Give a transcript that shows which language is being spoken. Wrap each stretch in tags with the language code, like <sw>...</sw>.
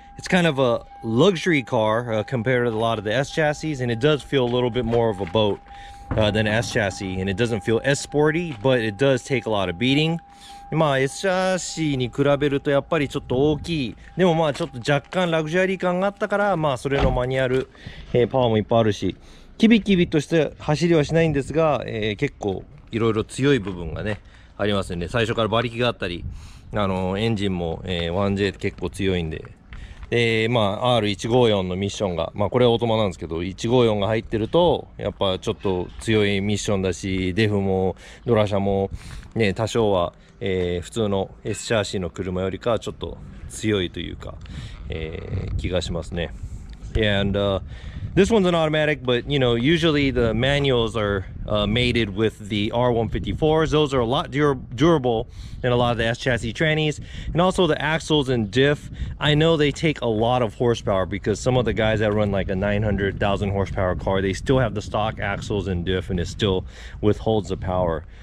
<en>It's kind of a luxury car compared to a lot of the S chassis, and it does feel a little bit more of a boat. than S chassis, and it doesn't feel as sporty, but it does take a lot of beating.</en> <ja>まあ S チャーシーに比べるとやっぱりちょっと大きい。でもまあちょっと若干ラグジュアリー感があったから、まあそれのマニュアル、パワーもいっぱいあるし、キビキビとして走りはしないんですが、結構いろいろ強い部分がねありますよね。最初から馬力があったり、エンジンも、1J 結構強いんで、まあ R154 のミッションが、まあこれはオートマなんですけど、154が入ってるとやっぱちょっと強いミッションだし、デフもドラ車もね多少は、普通の S チャーシーの車よりかはちょっと強いというか、気がしますね。</ja> <en>Yeah, and this one's an automatic, but you know, usually the manuals are mated with the R154s. Those are a lot durable than a lot of the S chassis trannies. And also the axles and diff, I know they take a lot of horsepower because some of the guys that run like a 900,000 horsepower car, they still have the stock axles and diff and it still withholds the power.</en>